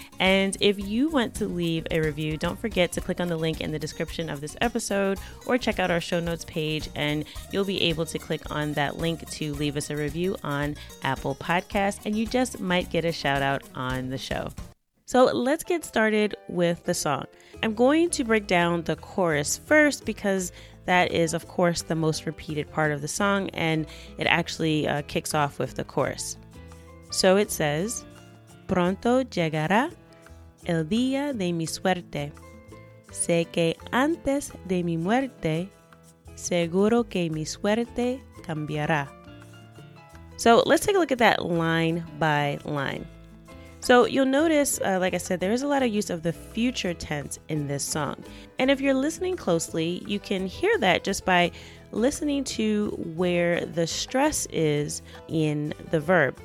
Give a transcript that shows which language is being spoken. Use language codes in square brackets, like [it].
[en] And if you want to leave a review, don't forget to click on the link in the description of this episode or check out our show notes page and you'll be able to click on that link to leave us a review on Apple Podcasts and you just might get a shout out on the show. So let's get started with the song. I'm going to break down the chorus first because That is, of course, the most repeated part of the song, and it actually kicks off with the chorus. So it says, [es] pronto llegará el día de mi suerte. Sé que antes de mi muerte, seguro que mi suerte cambiará. [en] So let's take a look at that line by line. So you'll notice, like I said, there is a lot of use of the future tense in this song. And if you're listening closely, you can hear that just by listening to where the stress is in the verb.